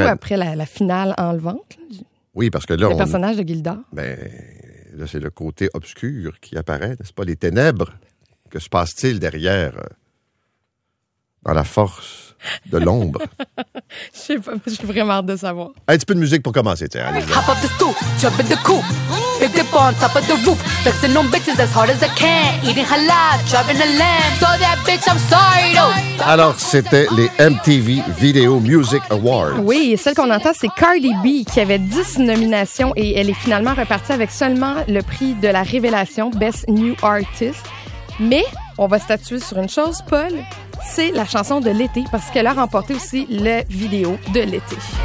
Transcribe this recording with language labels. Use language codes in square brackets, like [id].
[fr] Surtout après la finale enlevante. Oui, parce que là, le personnage de Gilda. Ben, là, c'est le côté obscur qui apparaît, n'est-ce pas? Les ténèbres. Que se passe-t-il derrière dans la force de l'ombre? Je sais pas, j'ai vraiment hâte de savoir. Un petit peu de musique pour commencer, tiens. [en] Allez, hop up the stoop, jump in the coop, pick the bone, top of the roof, fixing on bitches as hard as I can, eating her life, driving the land, so that bitch, I'm sorry though. [fr] Alors, c'était les MTV Video Music Awards. Oui, et celle qu'on entend, c'est Cardi B, qui avait 10 nominations, et elle est finalement repartie avec seulement le prix de la révélation, Best New Artist. Mais on va statuer sur une chose, Paul. C'est la chanson de l'été parce qu'elle a remporté aussi la vidéo de l'été.